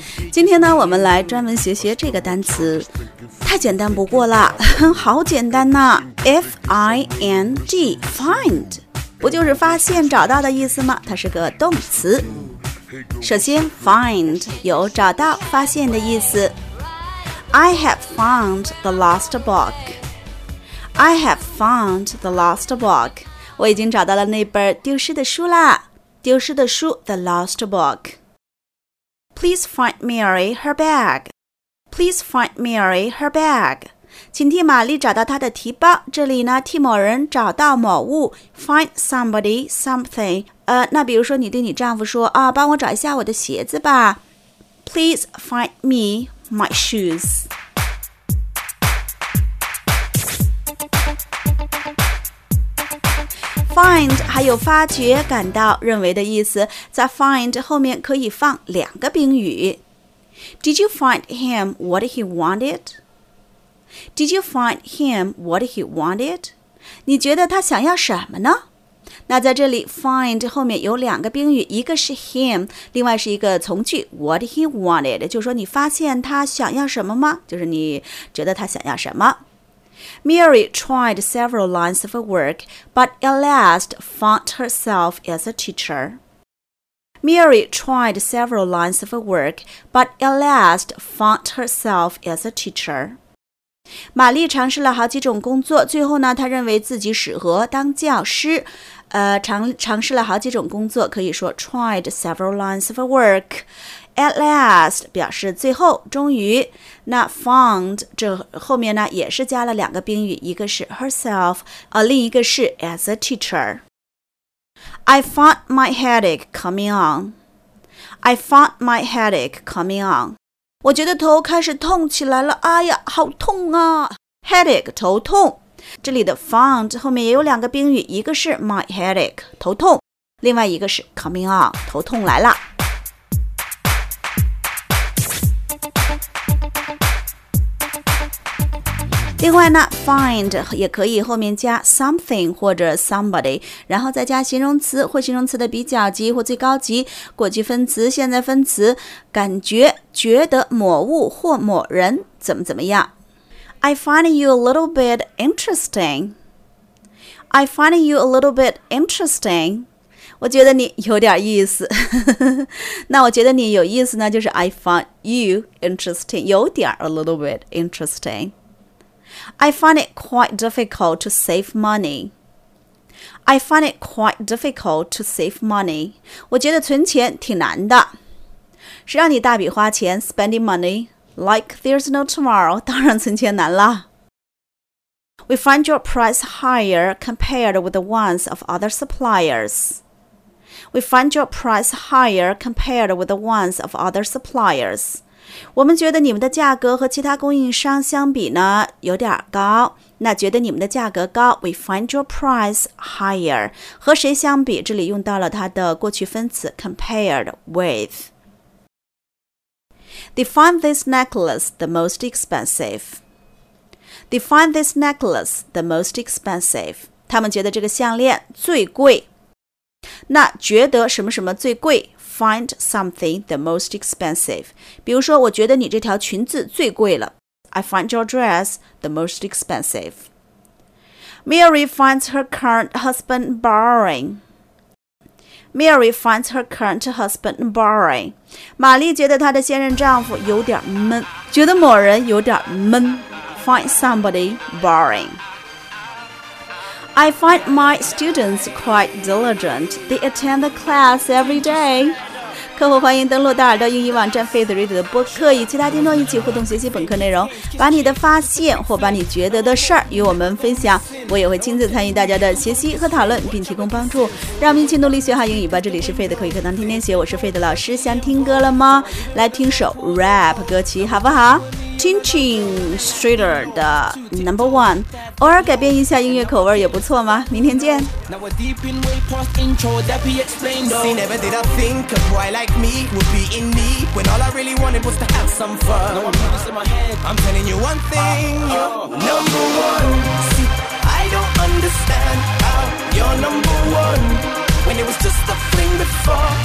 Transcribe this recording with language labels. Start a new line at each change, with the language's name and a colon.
Chinese: 今天呢，我们来专门学学这个单词，太简单不过了，好简单呐。 F-I-N-D find 不就是发现找到的意思吗？它是个动词。首先 find 有找到发现的意思。
English: I have found the lost book. I have found the lost book.
Chinese: 我已经找到了那本丢失的书啦。丢失的书
English: ,the lost book. Please find Mary her bag. Please find Mary her bag.
Chinese: 请替玛丽找到她的提包。这里呢，替某人找到某物。
English: Find somebody something.
Chinese: 那比如说你对你丈夫说啊，帮我找一下我的鞋子吧。
English: Please find me. My shoes.
Chinese: 还有发觉、感到、认为的意思，在 find 后面可以放两个宾语。
English: Did you find him what he wanted? Did you find him what he wanted?
Chinese: 你觉得他想要什么呢？那在这里 find 后面有两个宾语，一个是 him， 另外是一个从句
English: what he wanted，
Chinese: 就是说你发现他想要什么吗？就是你觉得他想要什么。
English: Mary tried several lines of work but at last found herself as a teacher. Mary tried several lines of work but at last found herself as a teacher.
Chinese: 玛丽尝试了好几种工作，最后呢，她认为自己适合当教师。尝试了好几种工作，可以说
English: tried several lines of work.
Chinese: At last 表示最后、终于。那 found 这后面呢，也是加了两个宾语，一个是 herself， 另一个是
English: as a teacher. I found my headache coming on. I found my headache coming on.
Chinese: 我觉得头开始痛起来了，哎呀，好痛啊 ！Headache 头痛。这里的 found 后面也有两个宾语，一个是 my headache 头痛，另外一个是
English: coming on
Chinese: 头痛来了。另外呢 find 也可以后面加 something 或者 somebody， 然后再加形容词或形容词的比较级或最高级，过去分词、现在分词，感觉、觉得某物或某人怎么怎么样。
English: I find you a little bit interesting. I find you a little bit interesting.
Chinese: 我觉得你有点意思。那我觉得你有意思呢，就是
English: I find you interesting.
Chinese: 有点
English: a little bit interesting. I find it quite difficult to save money. I find it quite difficult to save money.
Chinese: 我觉得存钱挺难的。谁让你大笔花钱
English: spending money? Like there's no tomorrow,
Chinese: 当然存钱难了。
English: We find your price higher compared with the ones of other suppliers. We find your price higher compared with the ones of other suppliers.
Chinese: 我们觉得你们的价格和其他供应商相比呢，有点高。那觉得你们的价格高 ,
English: We find your price higher.
Chinese: 和谁相比？这里用到了它的过去分词
English: compared with. They find this necklace the most expensive. They find this necklace the most expensive.
Chinese: 他们觉得这个项链最贵。那觉得什么什么最贵
English: ?Find something the most expensive.
Chinese: 比如说我觉得你这条裙子最贵了。
English: I find your dress the most expensive. Mary finds her current husband boring. Mary finds her current husband boring.
Chinese: 玛丽觉得她的现任丈夫有点闷，觉得某人有点闷。
English: Find somebody boring. I find my students quite diligent. They attend the class every day.
Chinese: 客户欢迎登录大耳朵英语网站 Faith Read 的播客，与其他听众一起互动学习本课内容，把你的发现或把你觉得的事儿与我们分享，我也会亲自参与大家的学习和讨论，并提供帮助，让我们一起努力学好英语吧。这里是 Faith 口语课堂，天天学，我是 Faith 老师。想听歌了吗？来听首 rap 歌曲好不好？ Chin Chin Streeter 的 Number One， 偶尔改变一下音乐口味也不错嘛。明天见。
English: Now we're deep in way past intro, that be explained though. See, never did I think a boy like me would be in need when all I really wanted was to have some fun. No, I'm not just in my head. I'm telling you one thing, you're number one. See, I don't understand how you're number one when it was just a fling before.